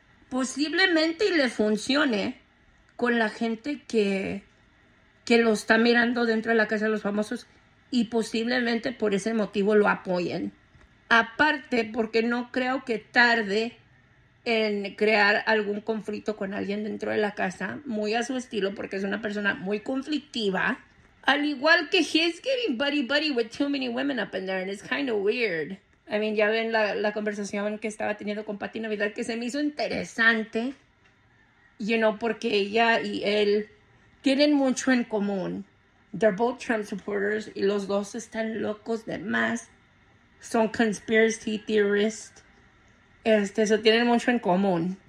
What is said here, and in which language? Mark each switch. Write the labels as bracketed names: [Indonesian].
[Spanish] Posiblemente le funcione con la gente que lo está mirando dentro de la Casa de los Famosos y posiblemente por ese motivo lo apoyen. Aparte, porque no creo que tarde en crear algún conflicto con alguien dentro de la casa, muy a su estilo, porque es una persona muy conflictiva. Al igual que [English] he's getting buddy-buddy with too many women up in there, and it's kind of weird. I mean, [Spanish] ya ven la conversación que estaba teniendo con Pati Navidad, que se me hizo interesante, [English] you know, [Spanish] porque ella y él tienen mucho en común. [English] They're both Trump supporters [Spanish] y los dos están locos de más. Son conspiracy theorists. Eso tienen mucho en común.